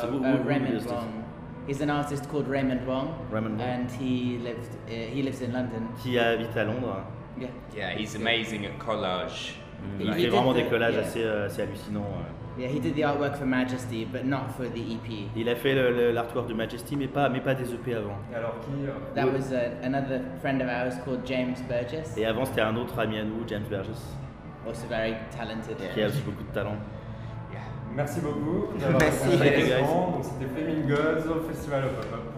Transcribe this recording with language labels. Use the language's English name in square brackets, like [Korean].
[English] Raymond Wong. He's an artist called Raymond Wong. Raymond Wong. And he lives in London. [French] Qui habite à Londres? [English] Yeah. Yeah, he's amazing at collage. [French] Il fait vraiment des collages assez hallucinants. [English] Yeah, he did the artwork for Majesty, but not for the EP. [French] Il a fait l'artwork de Majesty, mais pas des EP avant. Alors qui? [English] That was another friend of ours called James Burgess. [French] Et avant, c'était un autre ami à nous, James Burgess. [English] Also very talented. [French] Qui a aussi beaucoup de talent. Yeah. Merci beaucoup. Merci. C'était Flaming Gods au Festival of Pop-Up.